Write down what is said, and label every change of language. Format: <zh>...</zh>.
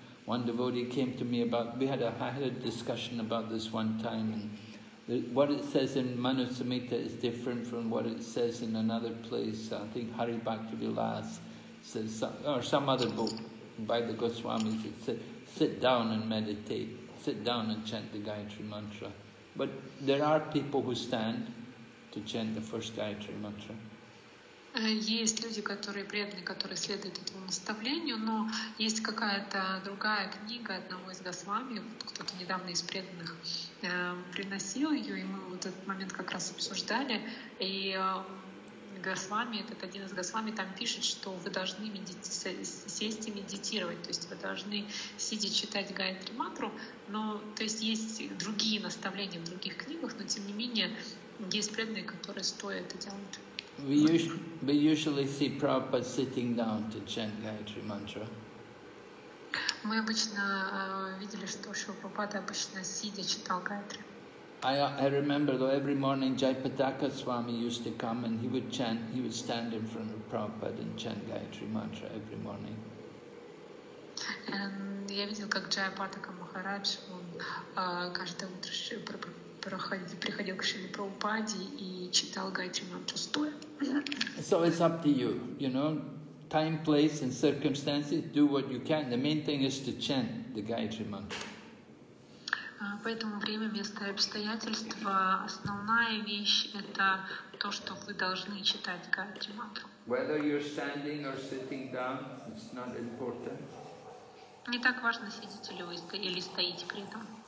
<en>One devotee came to me about, I had a discussion about this one time, and what it says in Manu Samhita is different from what it says in another place. I think Hari Bhakti Vilas says, or some other book by the Goswamis, it said, sit down and meditate, sit down and chant the Gayatri Mantra. But there are people who stand to chant the first Gayatri Mantra.</en> <ru>Есть люди, которые преданы, которые следуют этому наставлению, но есть какая-то другая книга одного из Госвами, кто-то недавно из преданных приносил ее, и мы вот этот момент как раз обсуждали, и Госвами, этот один из Госвами там пишет, что вы должны сесть и медитировать, то есть вы должны сидеть читать Гайатри Мантру, но то есть есть другие наставления в других книгах, но тем не менее есть преданные, которые стоят это делают.</ru> <en>We usually see Prabhupada sitting down to chant Gayatri Mantra.</en> <ru>Мы обычно видели, что Шрила Прабхупада обычно сидя читал Гайатри.</ru> <en>I remember though every morning Jaipataka Swami used to come and he would stand in front of Prabhupada and chant Gayatri Mantra every morning.</en> <ru>And я видел, как Джайпатака Махарадж, он каждое утро приходил к Шриле Прабхупаде и читал Гайатри Мантру стоя.</ru> <en>So it's up to you, time, place and circumstances, do what you can. The main thing is to chant the Gayatri Mantra.</en> <ru>Поэтому время, место и обстоятельства, основная вещь — это то, что вы должны читать Гайатри Мантру.</ru> <en>Whether you're standing or sitting down, it's not important.</en> <ru>Не так важно, сидите ли вы или стоите при этом.</ru>